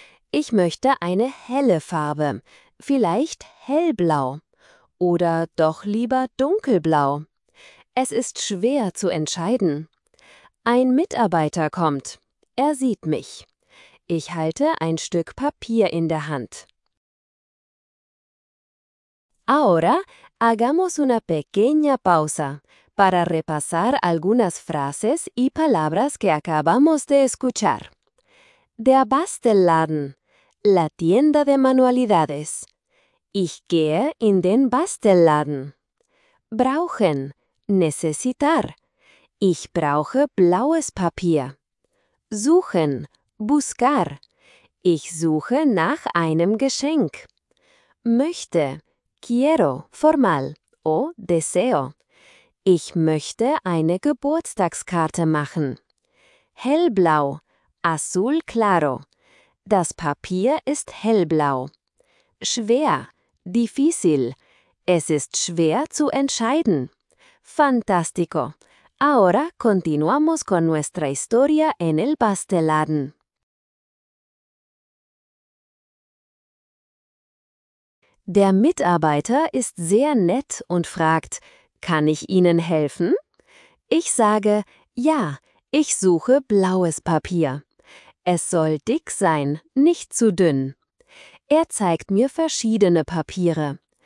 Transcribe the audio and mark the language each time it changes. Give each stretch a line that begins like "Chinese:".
German: Ich möchte eine helle Farbe, vielleicht hellblau oder doch lieber dunkelblau. Es ist schwer zu entscheiden. Ein Mitarbeiter kommt. Er sieht mich. Ich halte ein Stück Papier in der Hand.
Spanish: Ahora hagamos una pequeña pausa para repasar algunas frases y palabras que acabamos de escuchar.
German: Der Bastelladen,
Spanish: la tienda de manualidades.
German: Ich gehe in den Bastelladen. Brauchen, necesitar. Ich brauche blaues Papier. Suchen, buscar. Ich suche nach einem Geschenk. Möchte,
Spanish: quiero, formal, o deseo.
German: Ich möchte eine Geburtstagskarte machen. Hellblau,
Spanish: azul claro.
German: Das Papier ist hellblau. Schwer, difícil. Es ist schwer zu entscheiden.
Spanish: Fantástico. Ahora continuamos con nuestra historia en el Bastelladen.
German: Der Mitarbeiter ist sehr nett und fragt, kann ich Ihnen helfen? Ich sage, ja, ich suche blaues Papier. Es soll dick sein, nicht zu dünn. Er zeigt mir verschiedene Papiere.